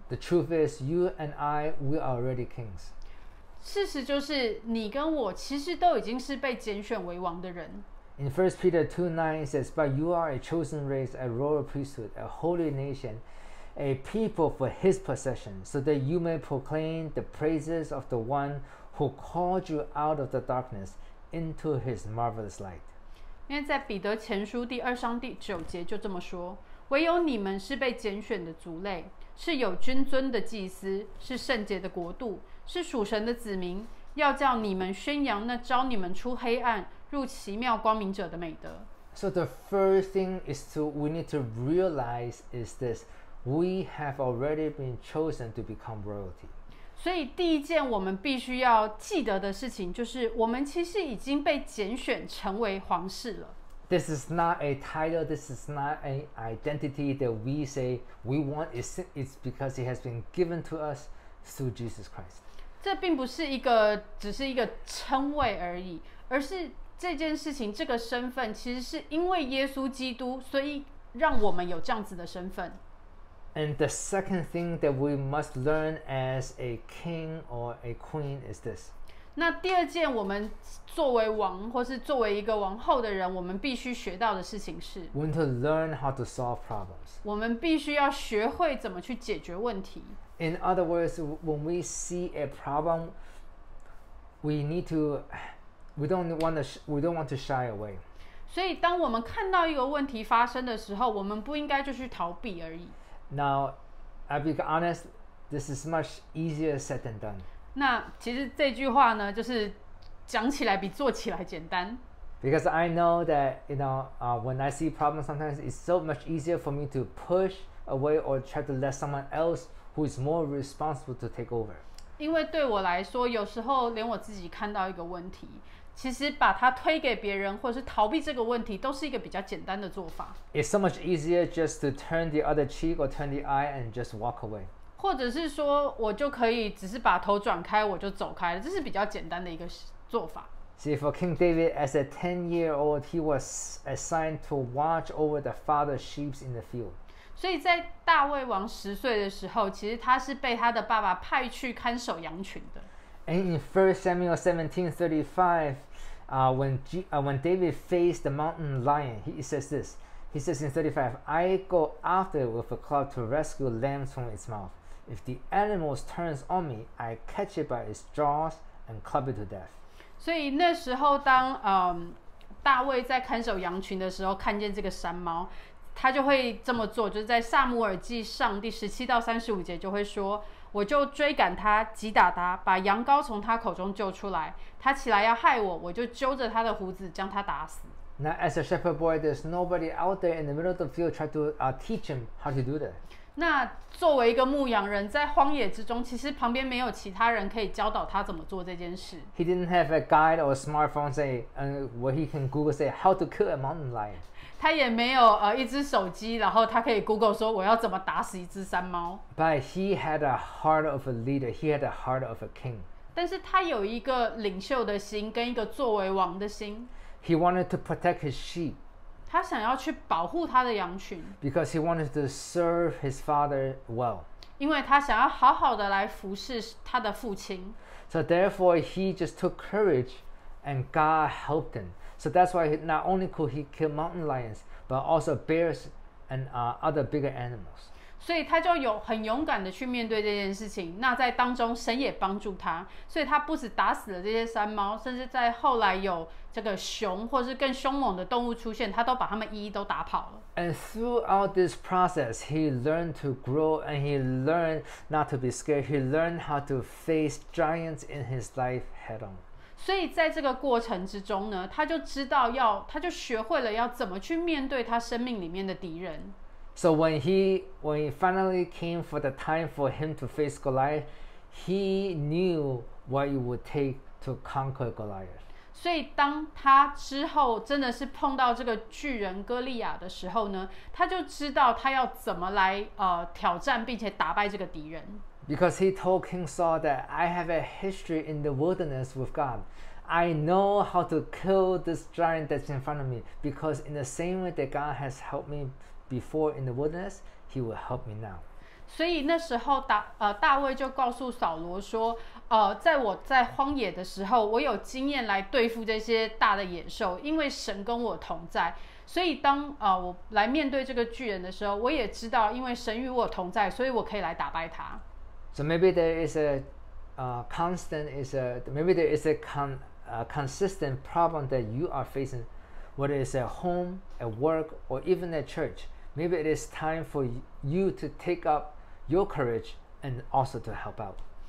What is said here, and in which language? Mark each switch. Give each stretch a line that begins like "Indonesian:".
English: The truth is, you and I, we are already kings.
Chinese: 事实就是你跟我其实都已经是被拣选为王的人。
English: In 1 Peter 2:9 says, But you are a chosen race, a royal priesthood, a holy nation, a people for his possession, so that you may proclaim the praises of the one who called you out of the darkness into his marvelous light.
Chinese: 因为在彼得前书第二章第九节就这么说，唯有你们是被拣选的族类，是有君尊的祭司，是圣洁的国度，是属神的子民，要叫你们宣扬那招你们出黑暗入奇妙光明者的美德。
English: So the first thing is to we need to realize is this, we have already been chosen to become royalty.
Chinese: 所以第一件我们必须要记得的事情就是我们其实已经被拣选成为皇室了。
English: This is not a title, this is not an identity that we say we want, it's because it has been given to us through Jesus Christ.
Chinese: 这并不是一个只是一个称谓而已，而是这件事情，这个身份其实是因为耶稣基督，所以让我们有这样子的身份。
English: And the second thing that we must learn as a king or a queen is this.
Chinese: 那第二件我们作为王或是作为一个王后的人，我们必须学到的事情是
English: We need to learn how to solve problems.
Chinese: 我们必须要学会怎么去解决问题。
English: In other words, when we see a problem, we need to... We don't want to shy away.
Chinese: 所以当我们看到一个问题发生的时候，我们不应该就去逃避而已。
English: Now, I'll be honest, this is much easier said than done.
Chinese: 那其实这句话呢，就是讲起来比做起来简单。
English: Because I know that, you know, when I see problems, sometimes it's so much easier for me to push away or try to let someone else who is more responsible to take over.
Chinese: 因为对我来说，有时候连我自己看到一个问题，其实把它推给别人或者是逃避这个问题都是一个比较简单的做法。
English: It's so much easier just to turn the other cheek or turn the eye and just walk away.
Chinese: 或者是说我就可以只是把头转开我就走开了，这是比较简单的一个做法。
English: See, for King David, as a 10-year-old, he was assigned to watch over the father's sheep in the field.
Chinese: 所以在大卫王十岁的时候，其实他是被他的爸爸派去看守羊群的。
English: And in 1 Samuel 17:35, when David faced the mountain lion, he says this. He says in 35, I go after it with a club to rescue lambs from its mouth. If the animal turns on me, I catch it by its jaws and club it to death.
Chinese: 所以那时候当大卫在看守羊群的时候看见这个山猫，他就会这么做，就是在撒母耳记上第17-35节就会说，我就追赶他，击打他，把羊羔从他口中救出来。他起来要害我，我就揪着他的胡子将他打死。
English: Now, as a shepherd boy, there's nobody out there in the middle of the field trying to teach him how to do that.
Chinese: 那作为一个牧羊人，在荒野之中，其实旁边没有其他人可以教导他怎么做这件事。
English: He didn't have a guide or a smartphone say, where he can Google say how to kill a mountain lion.
Chinese: 他也没有一只手机，然后他可以 Google 说我要怎么打死一只山猫。
English: But he had a heart of a leader. He had a heart of a king.
Chinese: 但是他有一个领袖的心跟一个作为王的心。
English: He wanted to protect his sheep.
Chinese: 他想要去保护他的羊群。
English: Because he wanted to serve his father well.
Chinese: 因为他想要好好的来服侍他的父亲。
English: So therefore he just took courage and God helped him. So that's why not only could he kill mountain lions, but also bears and other bigger animals.
Chinese: 所以他就有很勇敢的去面对这件事情。那在当中，神也帮助他，所以他不止打死了这些山猫，甚至在后来有这个熊或是更凶猛的动物出现，他都把他们一一都打跑了。
English: And throughout this process, he learned to grow and he learned not to be scared. He learned how to face giants in his life head on.
Chinese: 所以在这个过程之中呢，他就知道要，他就学会了要怎么去面对他生命里面的敌人。
English: So when he finally came for the time for him to face Goliath, he knew what it would take to conquer Goliath.
Chinese: 所以当他之后真的是碰到这个巨人哥利亚的时候呢，他就知道他要怎么来挑战并且打败这个敌人。
English: Because he told King Saul that I have a history in the wilderness with God. I know how to kill this giant that's in front of me. Because in the same way that God has helped me before in the wilderness, he will help me now.
Chinese: 所以那时候大卫就告诉扫罗说在我在荒野的时候，我有经验来对付这些大的野兽，因为神跟我同在。所以当我来面对这个巨人的时候，我也知道因为神与我同在，所以我可以来打败他。
English: So maybe there is a consistent problem that you are facing, whether it's at home, at work, or even at church. Maybe it is time for you to take up your courage and also to help out.